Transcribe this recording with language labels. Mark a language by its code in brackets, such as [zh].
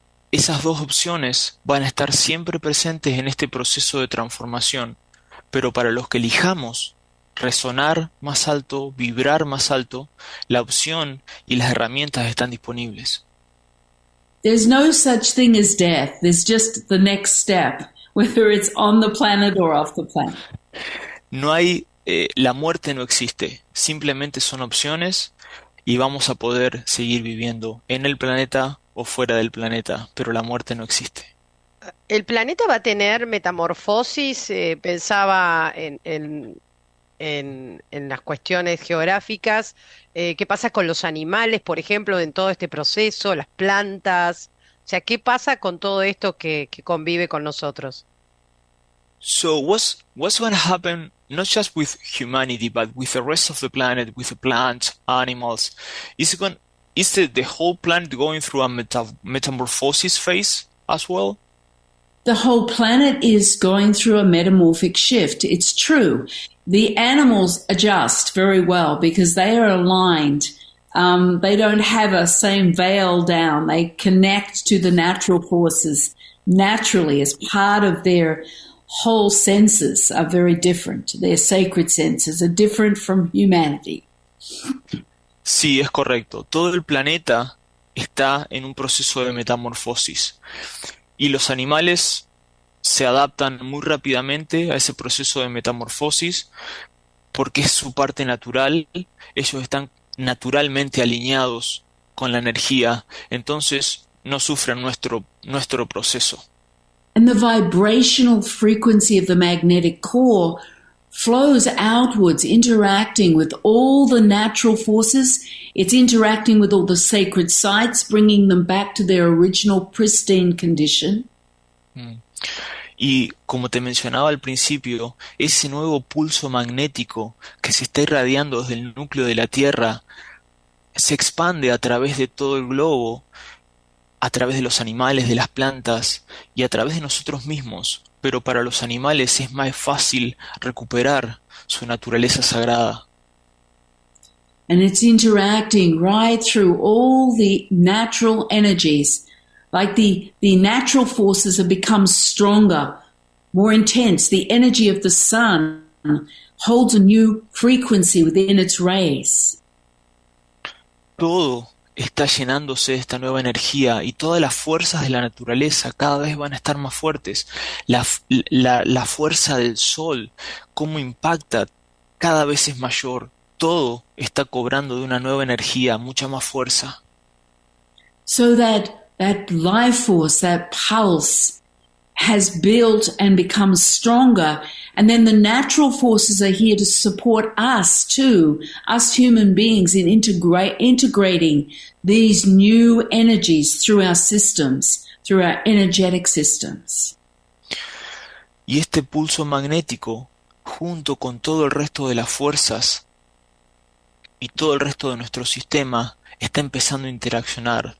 [es] Esas dos opciones van a estar siempre presentes en este proceso de transformación, pero para los que elijamos resonar más alto, vibrar más alto, la opción y las herramientas están disponibles. [en] There's no such thing as death. There's just the next step, whether it's on the planet or off the planet. [es] No hay, la muerte no existe, simplemente son opciones y vamos a poder seguir viviendo en el planeta o fuera del planeta, pero la muerte no existe. El planeta va a tener metamorfosis, pensaba en las cuestiones geográficas, ¿qué pasa con los animales, por ejemplo, en todo este proceso, las plantas? O sea, ¿qué pasa con todo esto que convive con nosotros? [en] So what's going to happen not just with humanity but with the rest of the planet, with the plants, animals? Is the whole planet going through a metamorphosis phase as well? The whole planet is going through a metamorphic shift. It's true. The animals adjust very well because they are aligned. They don't have a same veil down. They connect to the natural forces naturally as part of their whole senses are very different. Their sacred senses are different from humanity. [es] Sí, es correcto. Todo el planeta está en un proceso de metamorfosis y los animales se adaptan muy rápidamente a ese proceso de metamorfosis porque es su parte natural. Ellos están naturalmente alineados con la energía, entonces no sufren nuestro proceso. [en] And the vibrational frequency of the magnetic core flows outwards, interacting with all the natural forces. It's interacting with all the sacred sites, bringing them back to their original pristine condition. [es] Y como te mencionaba al principio, ese nuevo pulso magnético que se está irradiando desde el núcleo de la Tierra se expande a través de todo el globo, a través de los animales, de las plantas y a través de nosotros mismos. Pero para los animales es más fácil recuperar su naturaleza sagrada. [en] And it's interacting right through all the natural energies. Like the natural forces have become stronger, more intense. The energy of the sun holds a new frequency within its rays. [es] Todo está llenándose de esta nueva energía y todas las fuerzas de la naturaleza cada vez van a estar más fuertes. La fuerza del sol, cómo impacta, cada vez es mayor. Todo está cobrando de una nueva energía, mucha más fuerza. [en] so that that life force, that pulse, has built and become stronger. And then the natural forces are here to support us too, us human beings, in integrating these new energies through our systems, through our energetic systems. [es] Y este pulso magnético, junto con todo el resto de las fuerzas y todo el resto de nuestro sistema, está empezando a interaccionar.